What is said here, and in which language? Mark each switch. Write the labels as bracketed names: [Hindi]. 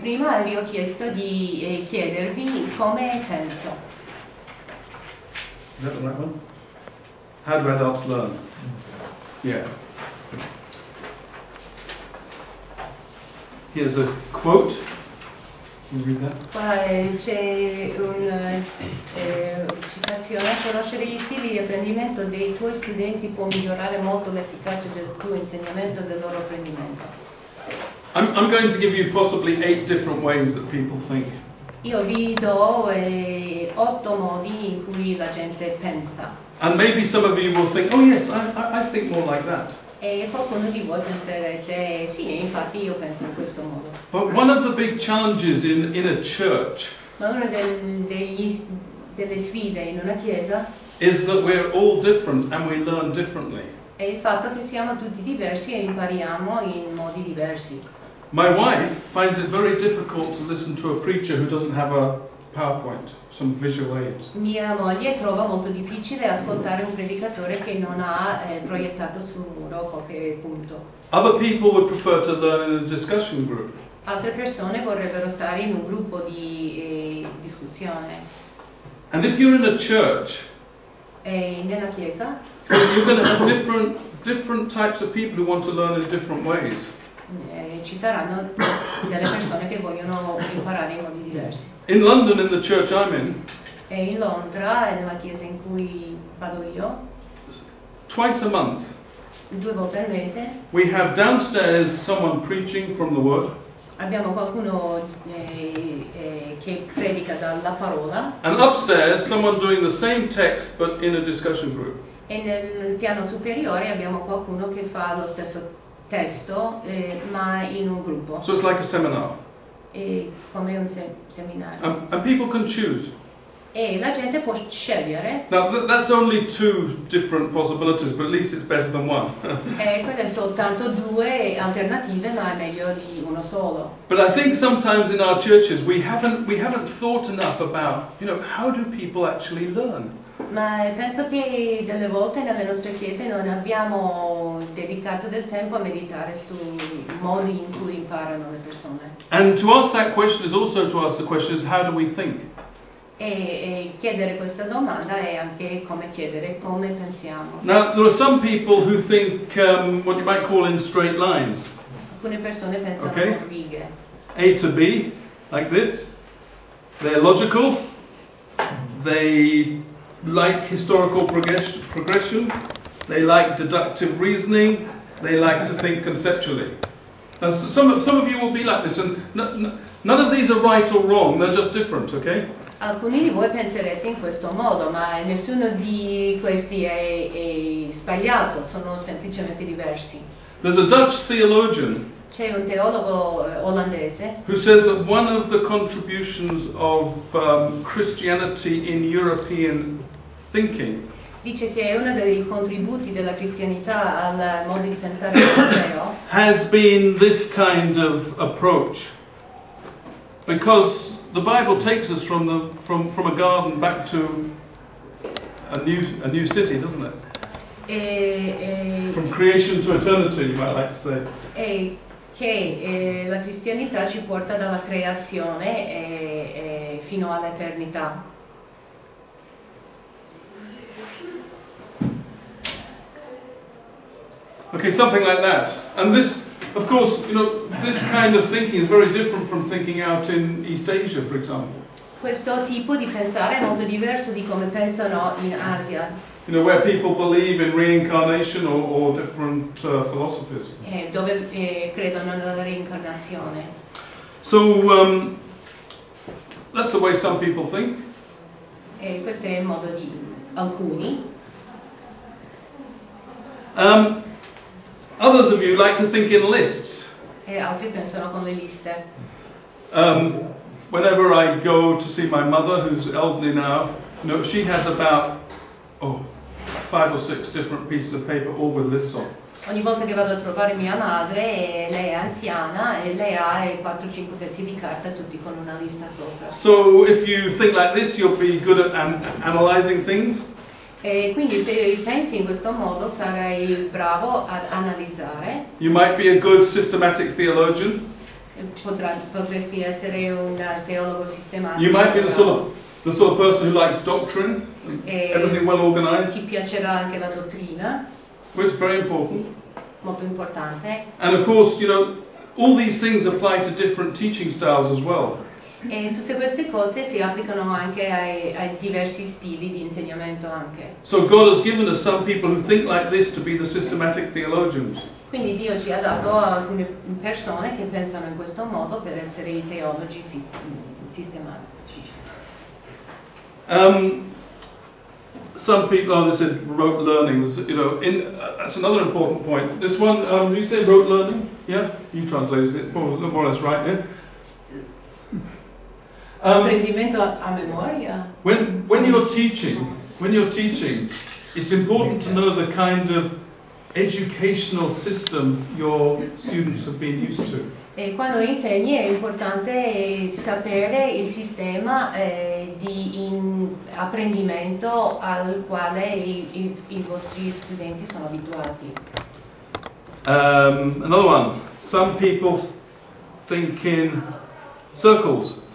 [Italian] Prima vi ho chiesto di chiedervi come penso. [English] Is that the right one? How do adults learn? Yeah. Here's a quote. [Italian] C'è una citazione: conoscere gli stili di apprendimento dei tuoi studenti può migliorare molto l'efficacia del tuo insegnamento e del loro apprendimento. [English] I'm going to give you possibly 8 different ways that people think. [Italian] Io vi do 8 modi in cui la gente pensa. [English] And maybe some of you will think, oh yes, I think more like that. [Italian] E qualcuno di voi penserete, sì, infatti io penso in questo modo. [English] But one of the big challenges in a church. [Italian] Ma una delle sfide in una chiesa. [English] Is that we're all different and we learn differently. [Italian] È il fatto che siamo tutti diversi e impariamo in modi diversi. [English] My wife finds it very difficult to listen to a preacher who doesn't have a PowerPoint, some visual aids. [Italian] Mia moglie trova molto difficile ascoltare un predicatore che non ha proiettato sul muro qualche punto. [English] Other people would prefer to learn in a discussion group. [Italian] Altre persone vorrebbero stare in un gruppo di discussione. [English] And if you're in a church, [Italian] e nella chiesa, [English] you're going to have different types of people who want to learn in different ways. [Italian] Ci saranno delle persone che vogliono imparare in modi diversi. [English] In London, in the church I'm in, [Italian] e in Londra, nella chiesa in cui vado io, [English] twice a month, [Italian] due volte al mese, [English] we have downstairs someone preaching from the word. [Italian] Abbiamo qualcuno che predica dalla parola. [English] And upstairs, someone doing the same text but in a discussion group. [Italian] E nel piano superiore abbiamo qualcuno che fa lo stesso testo, ma in un gruppo. [English] So it's like a seminar. [Italian] E come un seminario. [English] And people can choose. [Italian] E la gente può scegliere. [English] Now that's only 2 different possibilities, but at least it's better than one. [Italian] E quelle sono soltanto 2 alternative, ma è meglio di uno solo. [English] But I think sometimes in our churches we haven't thought enough about, you know, how do people actually learn? [Italian] Ma penso che delle volte nelle nostre chiese non abbiamo dedicato del tempo a meditare sui modi in cui imparano le persone. [English] And to ask that question is also to ask the question: how do we think? [Italian] E chiedere questa domanda è anche come chiedere come pensiamo. [English] Now there are some people who think what you might call in straight lines. [Italian] Alcune persone pensano okay. in righe. [English] A to B, like this. They're logical. They like historical progression. They like deductive reasoning. They like to think conceptually. And some of you will be like this, and none of these are right or wrong. They're just different, okay? [Italian] Alcuni di voi penserete in questo modo, ma nessuno di questi è sbagliato, sono semplicemente diversi. [English] There's a Dutch theologian. [Italian] C'è un teologo olandese. [English] Who says that one of the contributions of Christianity in European thinking. [Italian] Dice che è uno dei contributi della cristianità al modo di pensare europeo. [English] Has been this kind of approach. Because the Bible takes us from a garden back to a new city, doesn't it? From creation to eternity, you might like to say. [Italian] La cristianità ci porta dalla creazione e fino all'eternità. [English] Okay, something like that. And this, of course, you know, this kind of thinking is very different from thinking out in East Asia, for example. [Italian] Questo tipo di pensare è molto diverso di come pensano in Asia. [English] You know, where people believe in reincarnation or different philosophies. [Italian] Dove credono nella reincarnazione. [English] So, that's the way some people think. [Italian] Questo è il modo di alcuni. [English] Others of you like to think in lists. [Italian] E altri pensano con le liste. [English] Whenever I go to see my mother, who's elderly now, you know, she has about five or six different pieces of paper, all with lists on. [Italian] Ogni volta che vado a trovare mia madre, lei è anziana e lei ha 4-5 pezzi di carta, tutti con una lista sopra. [English] So if you think like this, you'll be good at analyzing things. [Italian] E quindi se pensi in questo modo sarai bravo ad analizzare. [English] You might be a good systematic theologian. [Italian] Potresti essere un teologo sistematico. [English] You might be the sort of person who likes doctrine, everything well organized. [Italian] Ti piacerà anche la dottrina. [English] Which is very important. [Italian] Molto importante. [English] And of course, you know, all these things apply to different teaching styles as well. [Italian] E tutte queste cose si applicano anche ai diversi stili di insegnamento anche. [English] So God has given us some people who think like this to be the systematic theologians. [Italian] Quindi Dio ci ha dato alcune persone che pensano in questo modo per essere i teologi sistematici. [English] Some people, they said rote learning. You know, that's another important point. This one, did you say rote learning? Yeah, you translated it. More or less right. Yeah. [Italian] Apprendimento a memoria. [English] When you're teaching, it's important to know the kind of educational system your students have been used to. [Italian] E quando insegni è importante sapere il sistema di apprendimento al quale i vostri studenti sono abituati. [English] Another one. Some people think in circles.